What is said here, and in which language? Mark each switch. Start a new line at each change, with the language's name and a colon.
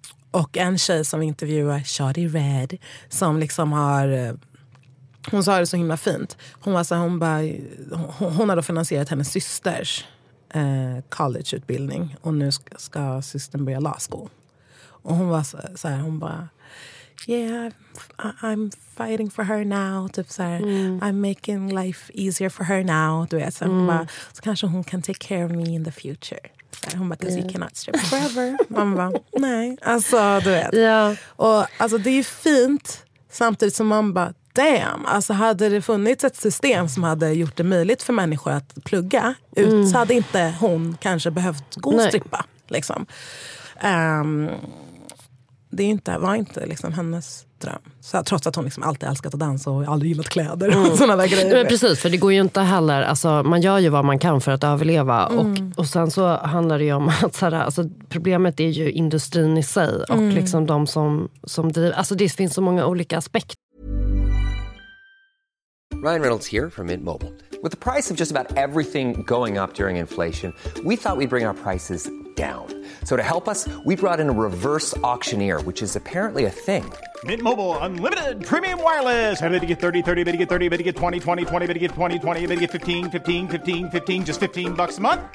Swedish: Och en tjej som vi intervjuar, Shady Red, som liksom har... Hon sa det så himla fint. Hon var så här, hon har då finansierat hennes systers college-utbildning. Och nu ska systern börja law school. Och hon var så här, hon bara...
English: Yeah, I'm fighting for her now.
Swedish: Typ så här,
English: I'm making life easier for her now.
Swedish: Du vet, så, hon bara, så kanske hon
English: can take care of me in the future.
Swedish: Så hon bara,
English: because you cannot strip forever.
Swedish: Man bara, nej. Alltså, du vet.
English: Yeah.
Swedish: Och alltså, det är ju fint, samtidigt som man bara... Damn, alltså hade det funnits ett system som hade gjort det möjligt för människor att plugga ut så hade inte hon kanske behövt gå och strippa. Liksom. Det är inte, var inte liksom hennes dröm. Så, trots att hon liksom alltid älskat att dansa och aldrig gillat kläder och sådana där grejer. Men precis, för det går ju inte heller. Alltså, man gör ju vad man kan för att överleva. Mm. Och sen så handlar det ju om att så här, alltså, problemet är ju industrin i sig. Och liksom de som driver. Alltså det finns så många olika aspekter.
English: Ryan Reynolds here from Mint Mobile. With the price of just about everything going up during inflation, we thought we'd bring our prices down. So to help us, we brought in a reverse auctioneer, which is apparently a thing. Mint Mobile Unlimited Premium Wireless. How to get 30, 30, how to get 30, how to get 20, 20, 20, how to get 20, 20, how to get 15, 15, 15, 15, just $15 a month?